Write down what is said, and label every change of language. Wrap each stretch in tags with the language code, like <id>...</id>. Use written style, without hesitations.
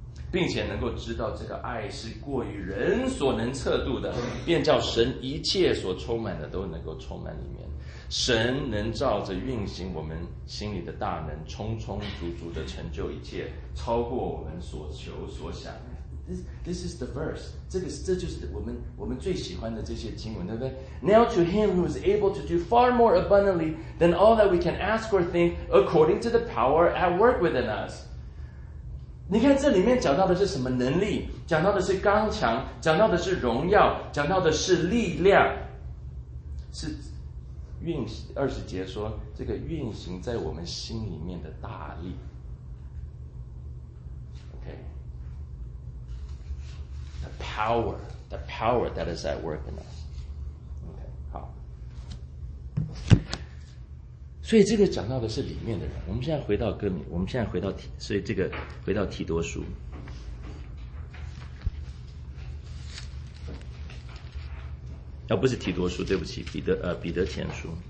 <zh>并且能够知道这个爱是过于人所能测度的，便叫神一切所充满的都能够充满里面，神能照着运行我们心里的大能，充充足足的成就一切，超过我们所求所想。</zh> <en>This is the verse.</en> <zh>这就是我们最喜欢的这些经文，对不对？</zh> <en>Now to him who is able to do far more abundantly than all that we can ask or think, according to the power at work within us.</en> <zh>你看这里面讲到的是什么能力？讲到的是刚强，讲到的是荣耀，讲到的是力量，是。运二十节说，这个运行在我们心里面的大力。</zh> <en>Okay. The power that is at work in us. Okay. 好。</en> <zh>所以这个讲到的是里面的人。我们现在回到提，所以这个回到提多书。不是提多书，对不起，彼得前书。</zh>